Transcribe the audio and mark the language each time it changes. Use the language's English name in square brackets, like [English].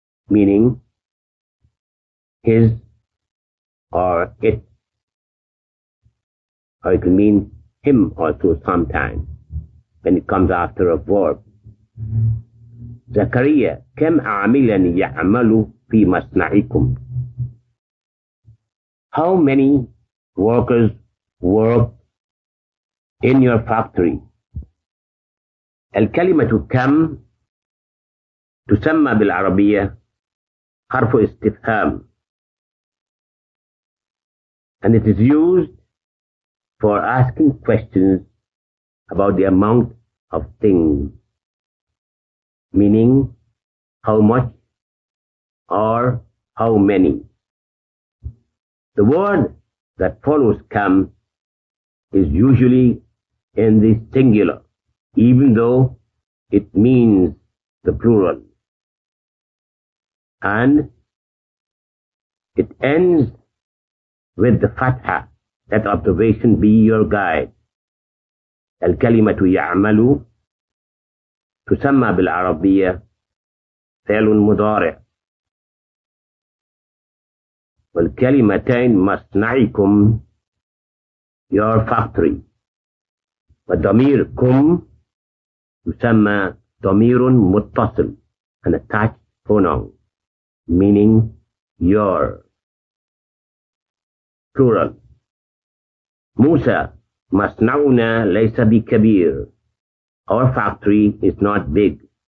[English] meaning his or it or it can mean him also sometimes when it comes after a verb [Arabic] زكريا كم عاملا يعمل في مصنعكم [English] How many workers work in your factory? [Arabic] الكلمة كم تسمى بالعربية حرف استفهام [English] and it is used for asking questions about the amount of things meaning how much or how many. The word that follows kam is usually in the singular, even though it means the plural. And it ends with the fatha. Let observation be your guide. [Arabic] الكلمة يعمل تسمى بالعربية فعل مضارع. والكلمتين مصنعكم [English] your factory [Arabic] والضمير كم يسمى ضمير متصل [English] an attached pronoun meaning your plural [Arabic] موسى مصنعنا ليس بكبير [English] our factory is not big